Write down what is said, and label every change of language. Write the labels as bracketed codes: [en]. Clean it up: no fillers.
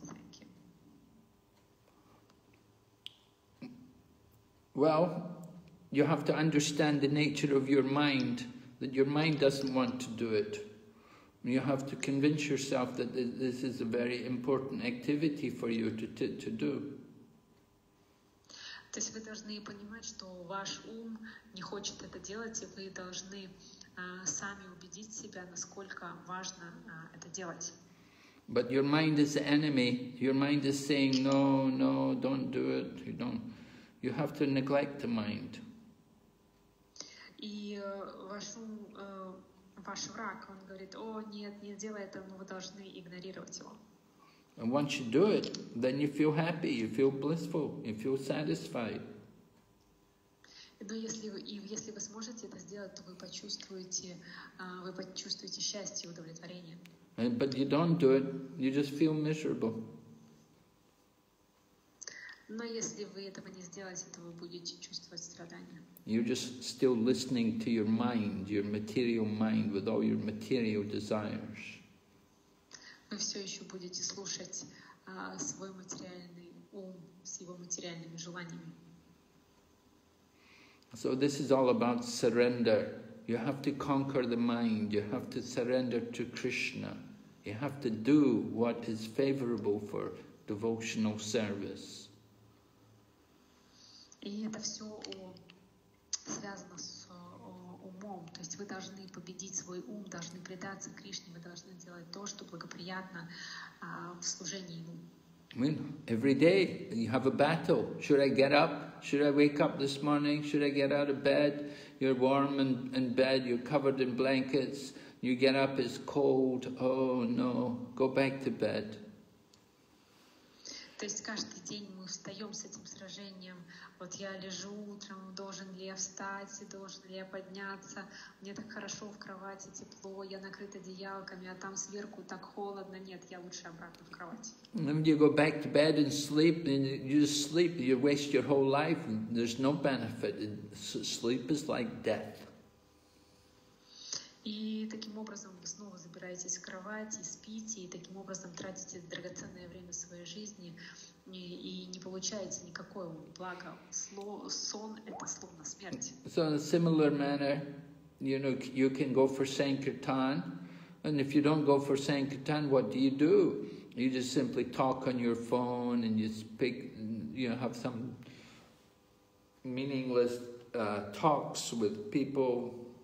[en] Thank you. Well, you have to understand the nature of your mind, that your mind doesn't want to do it. You have to convince yourself that this is a very important activity for you to do. [ru] То есть вы должны понимать, что ваш ум не хочет это делать, и вы должны сами убедить себя, насколько важно это делать. [en] But your mind is the enemy. Your mind is saying, no, no, don't do it. You don't. You have to neglect the mind. [ru] И ваш ум, ваш враг, он говорит, о, нет, не делай это, но вы должны игнорировать его. [en] And once you do it, then you feel happy, you feel blissful, you feel satisfied. [ru] Но если вы сможете это сделать, то вы почувствуете счастье и удовлетворение. [en] But you don't do it, you just feel miserable. [ru] Но если вы этого не сделаете, то вы будете чувствовать страдания. [en] You're just still listening to your mind, your material mind, with all your material desires. [ru] Вы все еще будете слушать свой материальный ум с его материальными желаниями. [en] So this is all about surrender. You have to conquer the mind. You have to surrender to Krishna. You have to do what is favorable for devotional service. [ru] И это все связано с умом. То есть вы должны победить свой ум, должны предаться Кришне, вы должны делать то, что благоприятно в служении Ему. [en] I mean, every day you have a battle. Should I get up? Should I wake up this morning? Should I get out of bed? You're warm in bed, you're covered in blankets. You get up, it's cold. Oh no, go back to bed. [ru] То есть каждый день мы встаем с этим сражением. Вот я лежу утром, должен ли я встать, должен ли я подняться? Мне так хорошо в кровати, тепло, я накрыт одеялками, а там сверху так холодно. Нет, я лучше обратно в кровать. [en] Then you go back to bed and sleep, and you just sleep, you waste your whole life. There's no benefit. Sleep is like death. [ru] И таким образом вы снова забираетесь в кровать и спите, и таким образом тратите драгоценное время своей жизни и не получаете никакого блага. Сон — это словно смерть. [en] So in a similar manner, you know, you can go for Sankirtan, and if you don't go for Sankirtan, what do? You just simply talk on your phone and you speak, you know, have some meaningless talks with people.